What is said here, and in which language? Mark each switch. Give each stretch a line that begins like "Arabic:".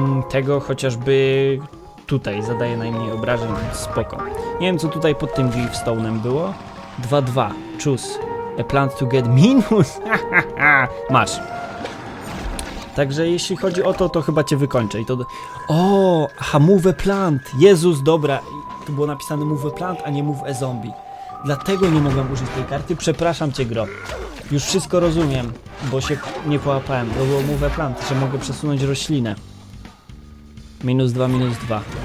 Polish: Tego chociażby tutaj zadaje najmniej obrażeń, spoko. Nie wiem, co tutaj pod tym Griefstone'em było. 2-2.
English: Choose a plant to get minus.
Polish: Masz. Także jeśli chodzi o to, to chyba cię wykończę i to... O, aha,
English: move a plant.
Polish: Jezus, dobra. Tu było napisane
English: move a plant,
Polish: a nie
English: move a zombie.
Polish: Dlatego nie mogłem użyć tej karty. Przepraszam cię, gro. Już wszystko rozumiem, bo się nie połapałem. To było
English: move a plant,
Polish: że mogę przesunąć roślinę. -2, -2.